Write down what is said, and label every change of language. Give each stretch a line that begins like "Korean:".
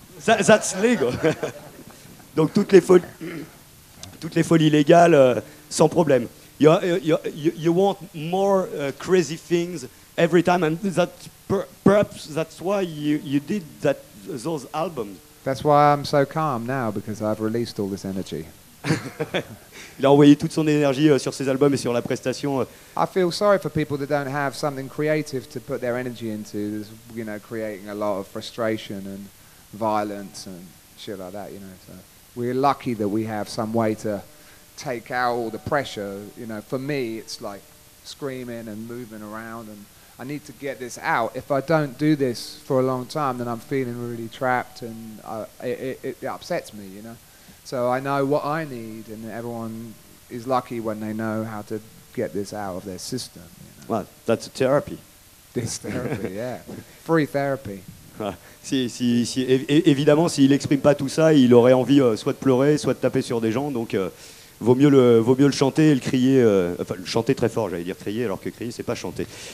English: That's legal.
French: Donc toutes les folies légales. Sans problème.
English: You want more crazy things every time, and that perhaps that's why you did that those albums. That's why I'm so calm now, because I've released all this energy.
French: Il a envoyé toute son énergie sur ses albums et sur la prestation.
English: I feel sorry for people that don't have something creative to put their energy into. There's, you know, creating a lot of frustration and violence and shit like that. You know, so we're lucky that we have some way to take out all the pressure, you know. For me, it's like screaming and moving around, and I need to get this out. If I don't do this for a long time, then I'm feeling really trapped, and it upsets me, you know. So I know what I need, and everyone is lucky when they know how to get this out of their system. You know? Well, that's a therapy. This therapy, yeah. Free therapy.
French: Si, évidemment, s'il exprime pas tout ça, il aurait envie soit de pleurer, soit de taper sur des gens, donc... Vaut mieux le chanter et le crier, enfin le chanter très fort, j'allais dire crier, alors que crier c'est pas chanter.